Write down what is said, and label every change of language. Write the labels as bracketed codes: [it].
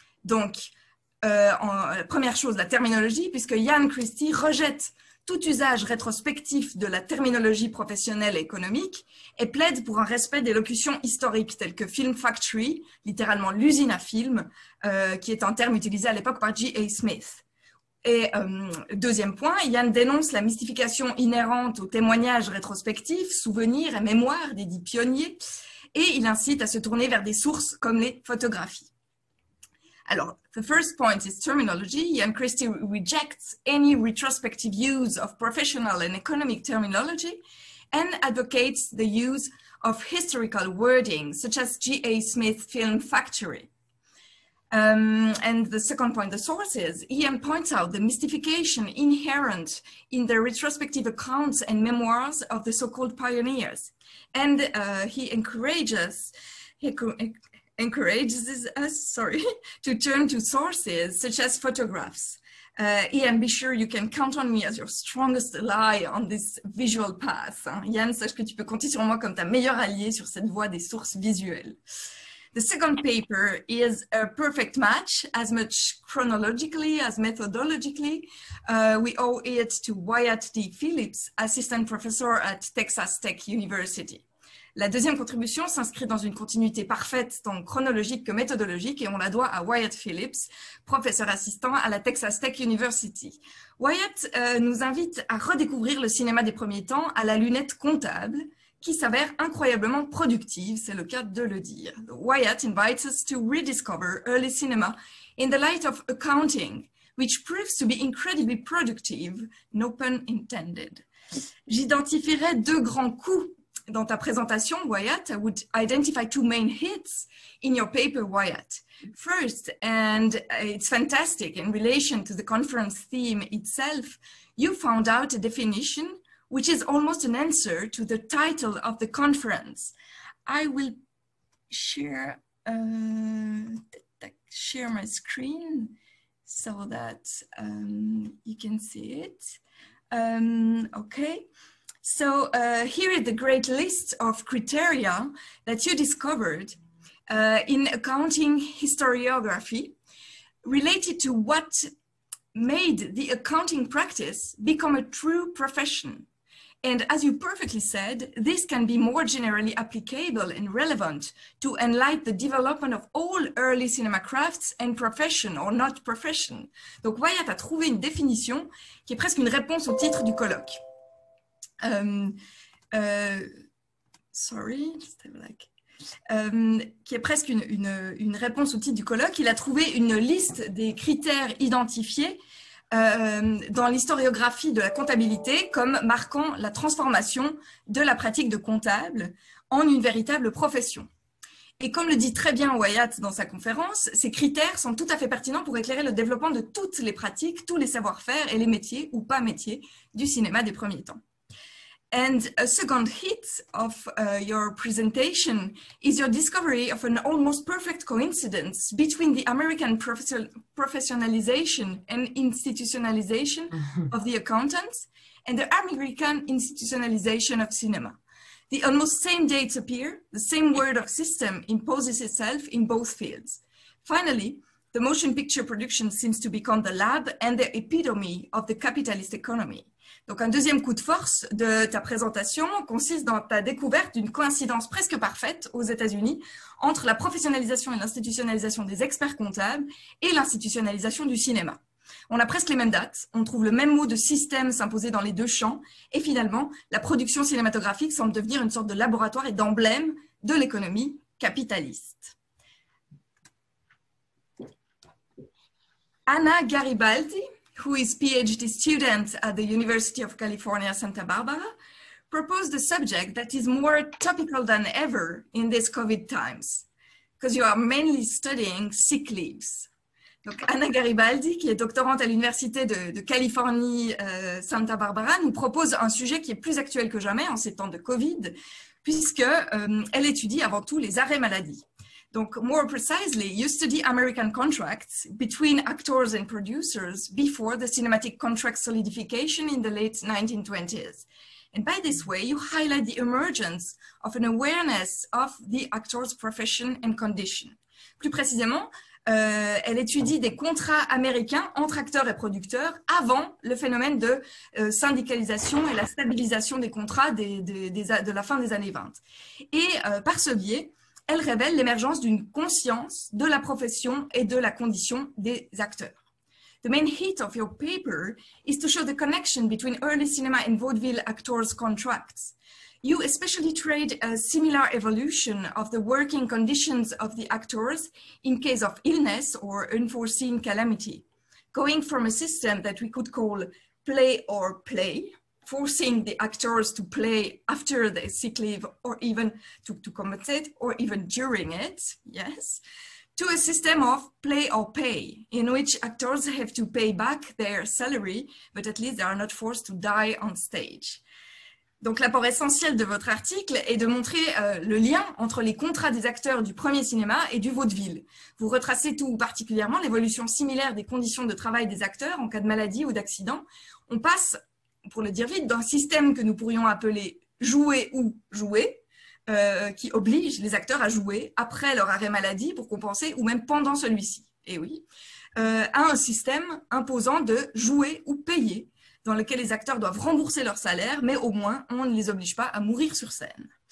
[fr] Donc, première chose, la terminologie, puisque Ian Christie rejette tout usage rétrospectif de la terminologie professionnelle et économique et plaide pour un respect des locutions historiques telles que film factory, littéralement l'usine à film, qui est un terme utilisé à l'époque par G.A. Smith. Et deuxième point, Ian dénonce la mystification inhérente aux témoignages rétrospectifs, souvenirs et mémoires des dits pionniers, et il incite à se tourner vers des sources comme les photographies. Alors, [en] the first point is terminology. Ian Christie rejects any retrospective use of professional and economic terminology and advocates the use of historical wording, such as G.A. Smith Film Factory. And the second point, the sources. Ian points out the mystification inherent in the retrospective accounts and memoirs of the so-called pioneers. And he encourages us to turn to sources such as photographs. Ian, be sure you can count on me as your strongest ally on this visual path. [fr] Ian, sache que tu peux compter sur moi comme ta meilleure alliée sur cette voie des sources visuelles. [en] The second paper is a perfect match, as much chronologically as methodologically. We owe it to Wyatt D. Phillips, assistant professor at Texas Tech University. [fr] La deuxième contribution s'inscrit dans une continuité parfaite tant chronologique que méthodologique et on la doit à Wyatt Phillips, professeur assistant à la Texas Tech University. Wyatt nous invite à redécouvrir le cinéma des premiers temps à la lunette comptable qui s'avère incroyablement productive, c'est le cas de le dire. [en] Wyatt invites us to rediscover early cinema in the light of accounting, which proves to be incredibly productive, no pun intended. [fr] J'identifierai deux grands coups dans ta présentation, Wyatt. [en] I would identify two main hits in your paper, Wyatt. First, and it's fantastic in relation to the conference theme itself, you found out a definition which is almost an answer to the title of the conference. I will share my screen so that you can see it. Okay. So here is the great list of criteria that you discovered in accounting historiography related to what made the accounting practice become a true profession. And as you perfectly said, this can be more generally applicable and relevant to enlighten the development of all early cinema crafts and profession or not profession. [fr] Donc, Waya, tu as trouvé une définition qui est presque une réponse au titre du colloque. Qui est presque une réponse au titre du colloque. Il a trouvé une liste des critères identifiés dans l'historiographie de la comptabilité comme marquant la transformation de la pratique de comptable en une véritable profession. Et comme le dit très bien Wyatt dans sa conférence, ces critères sont tout à fait pertinents pour éclairer le développement de toutes les pratiques, tous les savoir-faire et les métiers ou pas métiers du cinéma des premiers temps. [en] And a second hit of your presentation is your discovery of an almost perfect coincidence between the American professionalization and institutionalization of the accountants and the American institutionalization of cinema. The almost same dates appear, the same word of system imposes itself in both fields. Finally, the motion picture production seems to become the lab and the epitome of the capitalist economy. [fr] Donc, un deuxième coup de force de ta présentation consiste dans ta découverte d'une coïncidence presque parfaite aux États-Unis entre la professionnalisation et l'institutionnalisation des experts comptables et l'institutionnalisation du cinéma. On a presque les mêmes dates, on trouve le même mot de système s'imposer dans les deux champs et finalement, la production cinématographique semble devenir une sorte de laboratoire et d'emblème de l'économie capitaliste. [en] Anna Garibaldi, who is a PhD student at the University of California, Santa Barbara, proposed a subject that is more topical than ever in these COVID times, because you are mainly studying sick leaves. [fr] Donc, Anna Garibaldi, qui est doctorante à l'Université de Californie, Santa Barbara, nous propose un sujet qui est plus actuel que jamais en ces temps de COVID, puisque elle étudie avant tout les arrêts maladie. Donc, [en] more precisely, you study American contracts between actors and producers before the cinematic contract solidification in the late 1920s. And by this way, you highlight the emergence of an awareness of the actor's profession and condition. [fr] Plus précisément, elle étudie des contrats américains entre acteurs et producteurs avant le phénomène de syndicalisation et la stabilisation des contrats de la fin des années 20. Et par ce biais, elle révèle l'émergence d'une conscience de la profession et de la condition des acteurs. [en] The main hit of your paper is to show the connection between early cinema and vaudeville actors' contracts. You especially trade a similar evolution of the working conditions of the actors in case of illness or unforeseen calamity, going from a system that we could call play or play, forcing the actors to play after the sick leave or even to compensate or even during it, yes, to a system of play or pay in which actors have to pay back their salary, but at least they are not forced to die on stage. [fr] Donc, l'apport essentiel de votre article est de montrer le lien entre les contrats des acteurs du premier cinéma et du vaudeville. Vous retracez tout particulièrement l'évolution similaire des conditions de travail des acteurs en cas de maladie ou d'accident. On passe, pour le dire vite, d'un système que nous pourrions appeler « jouer ou jouer », qui oblige les acteurs à jouer après leur arrêt maladie pour compenser, ou même pendant celui-ci, eh oui, à un système imposant de jouer ou payer, dans lequel les acteurs doivent rembourser leur salaire, mais au moins, on ne les oblige pas à mourir sur scène.